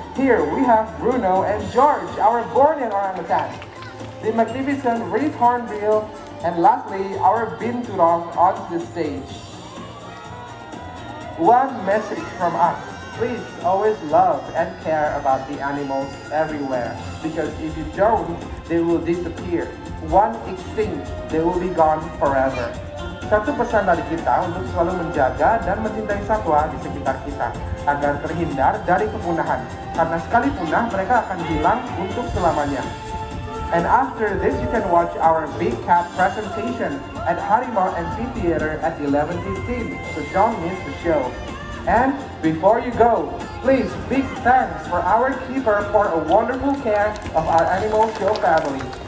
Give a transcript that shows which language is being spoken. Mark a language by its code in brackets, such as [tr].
[en] Here we have Bruno and George, our Bornean orangutan, the magnificent reef hornbill, and lastly, our binturong onto the stage. One message from us. Please always love and care about the animals everywhere, because if you don't, they will disappear. One extinct, they will be gone forever. [id] Satu pesan dari kita untuk selalu menjaga dan mencintai satwa di sekitar kita agar terhindar dari kepunahan, karena sekali punah mereka akan hilang untuk selamanya. [en] And after this, you can watch our big cat presentation at Harimau Amphitheater at 11:15, so don't miss the show. And before you go, please big thanks for our keeper for a wonderful care of our animal show family.